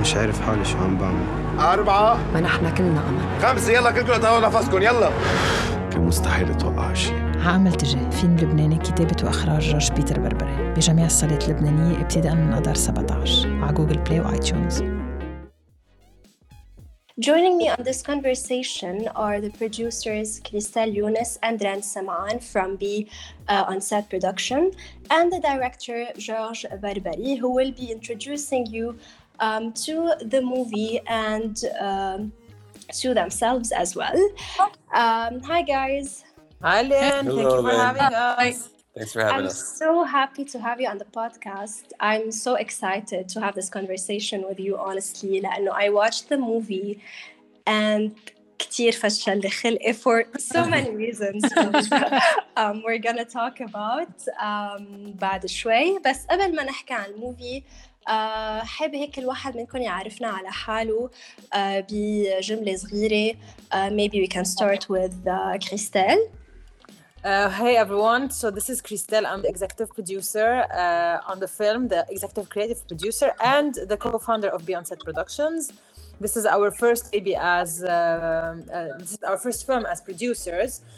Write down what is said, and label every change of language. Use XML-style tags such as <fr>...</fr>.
<ar>مش عارف حالي شو عم بعمل أربعة ما نحن كلنا أمل خمسة يلا كلكم تهوا نفسكم يلا كان مستحيل أتوقع هالشيء عامل تجي فيلم لبناني كتابة وإخراج جورج بيتر بربري بجميع الصالات اللبنانية ابتداء من أدار 17 على جوجل بلاي وآيتيونز.</ar> <en>Joining me on this conversation are the producers Kristel Younes and Ren Saman from B on Set Production, and the director Georges Barbary, who will be introducing you to the movie and to themselves as well. Hi, guys. Hi, Lynn. Thank you for having us. Thanks for having us. I'm so happy to have you on the podcast. I'm so excited to have this conversation with you, honestly. I watched the movie and</en> <ar>كتير فشل لخلقي</ar> <en>for so many reasons which, we're going to talk about</en> <ar>بعد شوي. بس قبل ما نحكي عن الموفي حابة هيك الواحد منكم يعرفنا على حاله بجملة صغيرة.</ar> <en>Maybe we can start with Kristel. Hey everyone, so this is Kristel, I'm the executive producer on the film, the executive creative producer and the co-founder of Beyond Set Productions. This is our first baby as, this is our first film as producers.</en>